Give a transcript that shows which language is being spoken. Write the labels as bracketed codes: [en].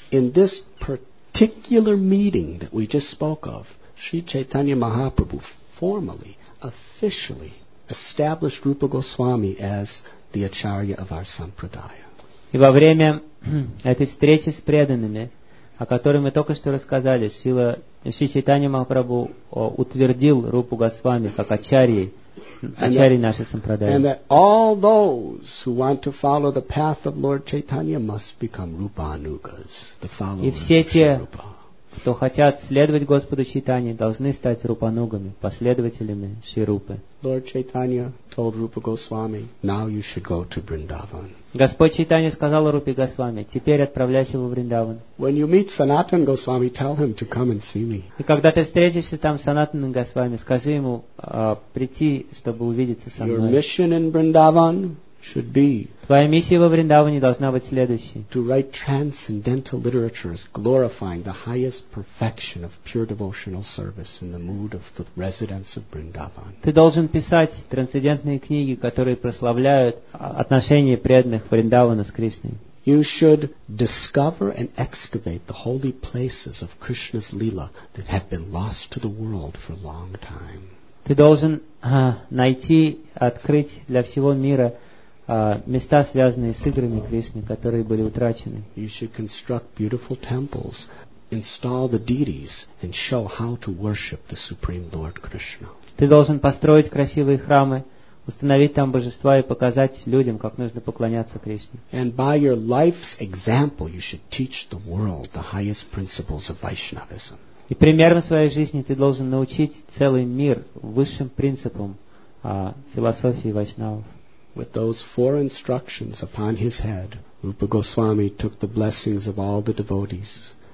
[en] In this particular meeting that we just spoke of, Sri Chaitanya Mahaprabhu formally, officially established Rupa Goswami as the Acharya of our Sampradaya. [ru] И во время этой встречи с преданными, о которой мы только что рассказали, Шри Чайтанья Махапрабху утвердил Рупу Госвами как ачарьей нашей сампрадаи. [en] And that all those who want to follow the path of Lord Chaitanya must become Rupanugas, the followers of Shri Rupa. [ru] И все те, кто хотят следовать Господу Чайтанье, должны стать Рупанугами, последователями Шри Рупы. [en] Lord Chaitanya told Rupa Goswami, now you should go to Vrindavan. [ru] Господь Чайтанья сказал Рупе Госвами, теперь отправляйся в Вриндаван. [en] When you meet Sanatan Goswami, tell him to come and see me. [ru] И когда ты встретишься там с Санатаном Госвами, скажи ему прийти, чтобы увидеться со мной. [en] Your mission in Vrindavan should be. [ru] Твоя миссия во Вриндаване должна быть следующей. [en] To write transcendental literatures glorifying the highest perfection of pure devotional service in the mood of the residents of Vrindavan. [ru] Ты должен писать трансцендентные книги, которые прославляют отношение преданных Вриндавана с Кришной. [en] You should discover and excavate the holy places of Krishna's lila that have been lost to the world for a long time. [ru] Ты должен найти, открыть для всего мира места, связанные с играми Кришны, которые были утрачены. [en] You should construct beautiful temples, install the deities, and show how to worship the Supreme Lord Krishna. [ru] Ты должен построить красивые храмы, установить там божества и показать людям, как нужно поклоняться Кришне. [en] And by your life's example, you should teach the world the highest principles of Vaishnavism. [ru] И примером своей жизни ты должен научить целый мир высшим принципам философии вайшнавов. [en] With those 4 instructions upon his head, Rupa Goswami took the blessings of all the devotees.